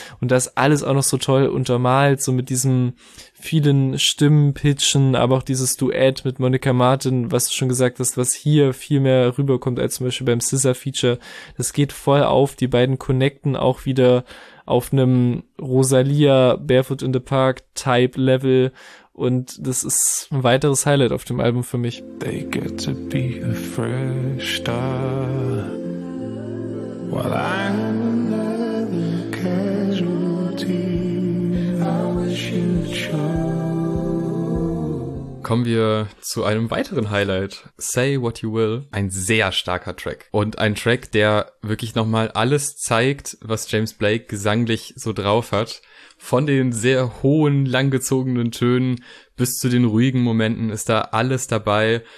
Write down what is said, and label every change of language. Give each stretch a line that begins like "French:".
German: Und das alles auch noch so toll untermalt, so mit diesem vielen Stimmenpitchen, aber auch dieses Duett mit Monica Martin, was du schon gesagt hast, was hier viel mehr rüberkommt als zum Beispiel beim SZA-Feature. Das geht voll auf, die beiden connecten auch wieder auf einem Rosalia Barefoot in the Park Type Level. Und das ist ein weiteres Highlight auf dem Album für mich.
English: They get to be a fresh start while I'm another casualty. I wish you chose.
German: Kommen wir zu einem weiteren Highlight. Say What You Will. Ein sehr starker Track. Und ein Track, der wirklich nochmal alles zeigt, was James Blake gesanglich so drauf hat. Von den sehr hohen, langgezogenen Tönen bis zu den ruhigen Momenten ist da alles dabei.